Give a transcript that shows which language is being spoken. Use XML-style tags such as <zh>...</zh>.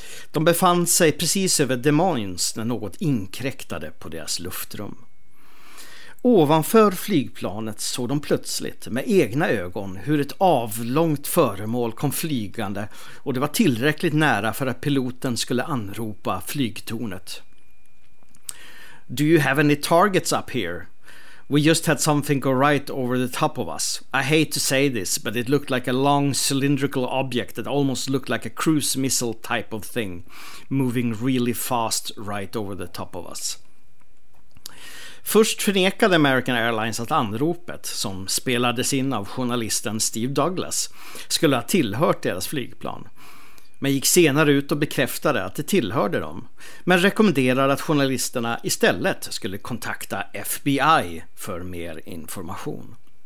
<sv>De befann sig precis över Des Moines när något inkräktade på deras luftrum. Ovanför flygplanet såg de plötsligt med egna ögon hur ett avlångt föremål kom flygande, och det var tillräckligt nära för att piloten skulle anropa flygtornet.</sv> <en>"Do you have any targets up here? We just had something go right over the top of us. I hate to say this, but it looked like a long cylindrical object that almost looked like a cruise missile type of thing moving really fast right over the top of us."</en> <sv>Först förnekade American Airlines att anropet, som spelades in av journalisten Steve Douglas, skulle ha tillhört deras flygplan, men gick senare ut och bekräftade att det tillhörde dem, men rekommenderade att journalisterna istället skulle kontakta FBI för mer information.</sv>